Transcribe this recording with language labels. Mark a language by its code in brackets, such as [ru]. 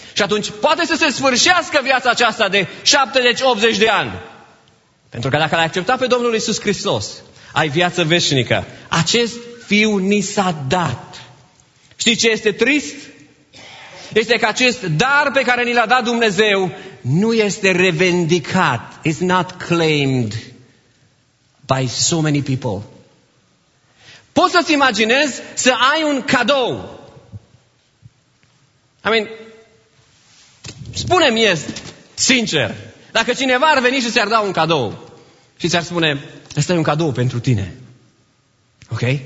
[ro] Și atunci poate să se sfârșească viața aceasta de 70-80 de ani. Pentru că dacă l-ai acceptat pe Domnul Iisus Hristos, ai viață veșnică. Acest Fiu ni s-a dat. Știi ce este trist? Este că acest dar pe care ni l-a dat Dumnezeu nu este revendicat. [en] It's not claimed by so many people. [ro] Poți să-ți imaginezi să ai un cadou. [en] I mean, [ro] spune-mi, este sincer, dacă cineva ar veni și ți-ar da un cadou și ți-ar spune, ăsta e un cadou pentru tine. Ok?